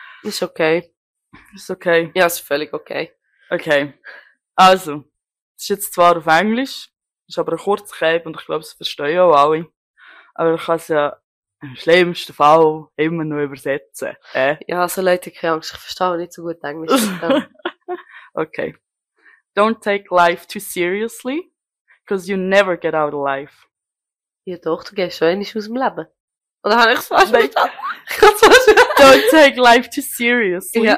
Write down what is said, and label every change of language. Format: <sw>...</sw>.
<de>Ist okay. Ja, ist völlig okay. Okay. Also, das ist jetzt zwar auf Englisch, ist aber ein kurzer Cape und ich glaube, das verstehen auch alle. Aber ich kann es ja im schlimmsten Fall immer noch übersetzen. Ja, so Leute, keine Angst, ich verstehe nicht so gut Englisch. Okay.</de> <en>Don't take life too seriously, because you never get out of life.</en> <de>Ja doch, du gehst schon einmal aus dem Leben. Oder habe ich es falsch verstanden?</de> <en>Don't take life too seriously,</en>